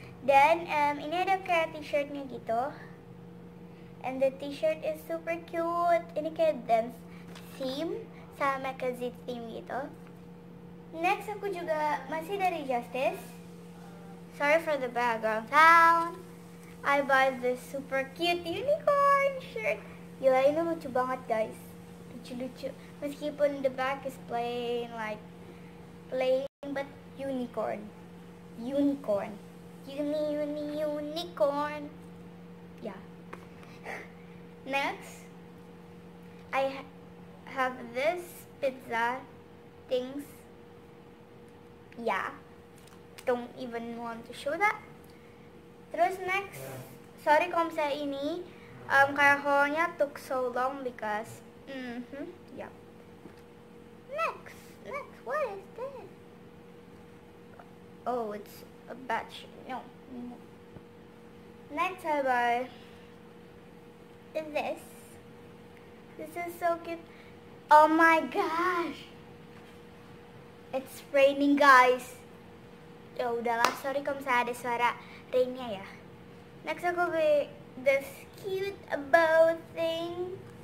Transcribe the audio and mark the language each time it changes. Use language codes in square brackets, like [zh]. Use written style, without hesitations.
[id] Dan ini ada kayak t-shirtnya gitu. [en] And the t-shirt is super cute. [id] Ini kayak dance theme sama Mackenzie theme gitu. Next aku juga masih dari Justice. [en] Sorry for the background sound. I bought this super cute unicorn shirt. [id] Gila, ini lucu banget [en] guys. [id] Lucu-lucu. Meskipun [en] the back is plain, like plain, but unicorn. Unicorn. Unicorn. Yeah. Next, I have this pizza things. Yeah, don't even want to show that. [id] Terus next, sorry kalau misalnya ini kayak haulnya [en] took so long because [id] yep. [en] Next, what is this? Oh, it's a bad shirt. No. Next I buy this. This is so cute. Oh my gosh, it's raining guys. [id] Ya udahlah, sorry kalau misalnya ada suara rainnya ya. [en] Next [id] aku beli [en] this cute bow thing.